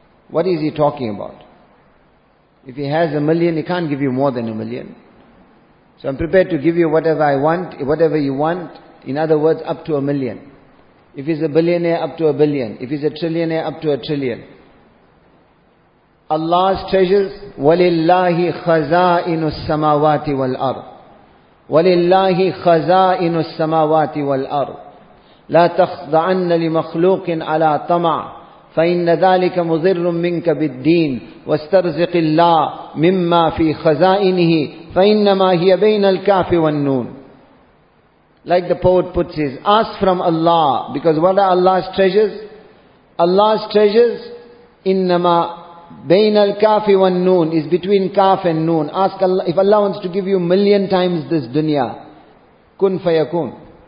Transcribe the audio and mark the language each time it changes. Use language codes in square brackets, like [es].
[en] What is he talking about? If he has a million, he can't give you more than a million. So I'm prepared to give you whatever I want, whatever you want. In other words, up to a million. If he's a billionaire, up to a billion. If he's a trillionaire, up to a trillion. Allah's treasures, [ar] وَلِلَّهِ خَزَائِنُ السَّمَاوَاتِ وَالْأَرْضِ وَلِلَّهِ خَزَائِنُ السَّمَاوَاتِ وَالْأَرْضِ لَا تَخْضَعَنَّ لِمَخْلُوقٍ عَلَى طَمَعٍ فَإِنَّ ذَلِكَ مُضِرٌّ مِنْكَ بِالدِّينِ وَاسْتَرْزِقِ اللَّهَ مِمَّا فِي خَزَائِنِهِ فَإِنَّمَا هِيَ بَيْنَ الْكَافِ وَالنُّونِ. [en] Like the poet puts it, ask from Allah, because what are Allah's treasures? Allah's treasures, [ar] إِنَّمَا بَيْنَ الْكَافِ وَالنُّونِ, [en] is between kaf and noon. Ask Allah, if Allah wants to give you million times this dunya, [ar] كُنْ فَيَكُونَ.